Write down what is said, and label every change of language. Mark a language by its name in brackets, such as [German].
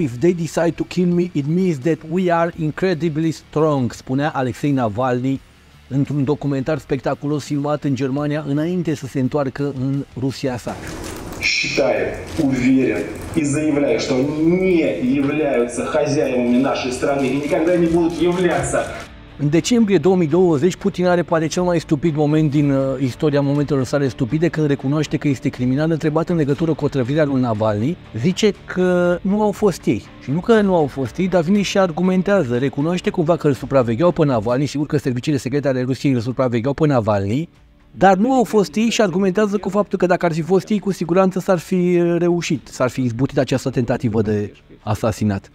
[English] If they decide to kill me, it means that we are incredibly strong, [Romanian] spunea Alexei Navalny într-un documentar spectaculos filmat în Germania înainte să se întoarcă în Rusia sa. [Russian] Считаю, уверен и заявляю, что не являются хозяевами нашей страны и никогда не будут являться. [Romanian] În decembrie 2020, Putin are poate cel mai stupid moment din istoria momentelor sale stupide, când recunoaște că este criminal, întrebat în legătură cu otrăvirea lui Navalny, zice că nu au fost ei. Și nu că nu au fost ei, dar vine și argumentează, recunoaște cumva că îl supravegheau pe Navalny, sigur că serviciile secrete ale Rusiei îl supravegheau pe Navalny, dar nu au fost ei și argumentează cu faptul că dacă ar fi fost ei, cu siguranță s-ar fi reușit, s-ar fi izbutit această tentativă de asasinat.